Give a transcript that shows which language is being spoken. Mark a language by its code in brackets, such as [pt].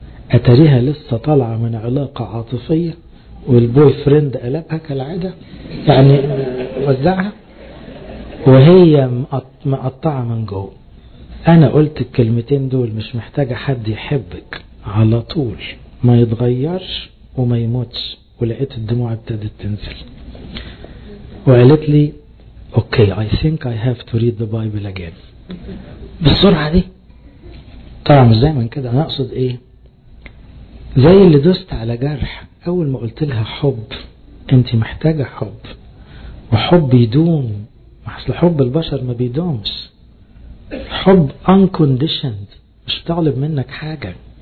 [ar] اتريها لسه طالعة من علاقة عاطفية والبوي فريند قلبها كالعادة، يعني وزعها وهي مقطعة من جوه. أنا قلت الكلمتين دول مش محتاجة حد يحبك على طول ما يتغيرش وما يموتش، ولقيت الدموع ابتدت تنزل. وقالت لي أوكي [en] I think I have to read the Bible again. [ar] بالسرعة دي طبعا مش زي من كده، أنا أقصد إيه؟ زي اللي دست على جرح أول ما قلت لها حب، أنت محتاجة حب وحب يدوم، أصل حب البشر ما بيدومش، حب unconditioned مش طالب منك حاجة.